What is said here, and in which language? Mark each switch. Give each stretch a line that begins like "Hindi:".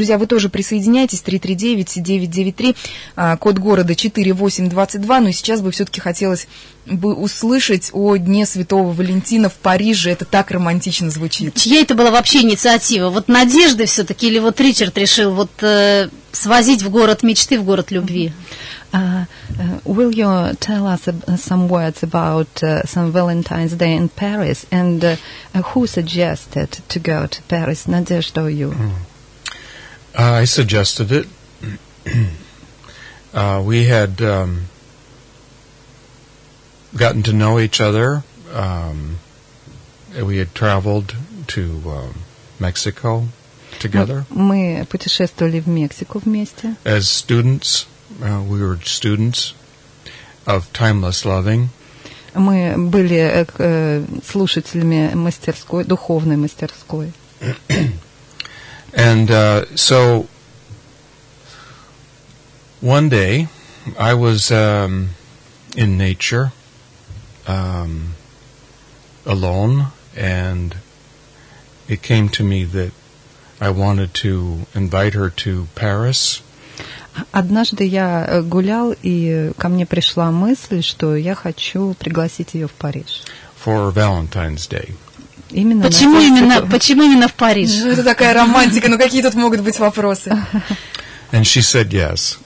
Russian: Друзья, вы тоже присоединяйтесь, 339-993, код города 4822, но сейчас бы все-таки хотелось бы услышать о Дне Святого Валентина в Париже, это так романтично звучит. Чья это была вообще инициатива? Вот Надежда все-таки или вот Ричард решил вот свозить в город мечты, в город любви?
English: Will you tell us some words about some Valentine's Day in Paris, and who suggested to go to Paris, Надежда or you? I suggested it. We had gotten to know each other. We had traveled to Mexico together.
Russian: Мы путешествовали в Мексику вместе.
English: As students. We were students of timeless loving.
Russian: Мы были слушателями мастерской, духовной мастерской.
English: And so one day I was in nature alone, and it came to me that I wanted to invite her to Paris.
Russian: Однажды я гулял, и ко мне пришла мысль, что я хочу пригласить ее в Париж.
English: For Valentine's Day.
Russian: Именно почему, почему именно в Париж? Ну, это такая романтика, ну какие тут могут быть вопросы?
English: And she said yes.